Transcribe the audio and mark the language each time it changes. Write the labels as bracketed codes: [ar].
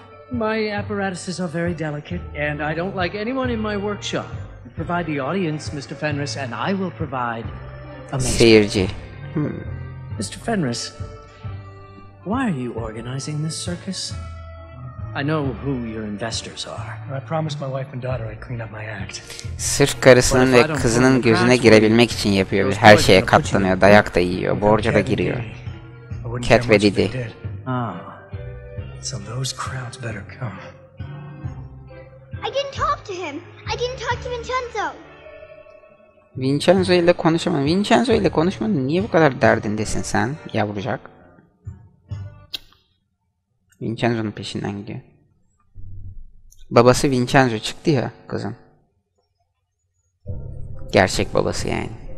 [en] My apparatuses are very delicate, and I don't like anyone in my workshop. Provide the audience, Mr. Fenris, and I will provide a message. Mr. Fenris, why are you organizing this circus? I know who your investors are. I promised my wife and daughter I'd clean up my act. [tr] Sırf karısının ve kızının gözüne girebilmek için yapıyor. Her şeye katlanıyor, dayak da yiyor, borca da giriyor. Cat ve Didi. [en] So those crowds better come. I didn't talk to him. I didn't talk to Vincenzo. [tr] Vincenzo ile konuşamadım. Vincenzo ile konuşmadın. Niye bu kadar derdindesin sen, yavrucak? Vincenzo'nun peşinden gidiyor. Babası Vincenzo çıktı ya kızım. Gerçek babası yani.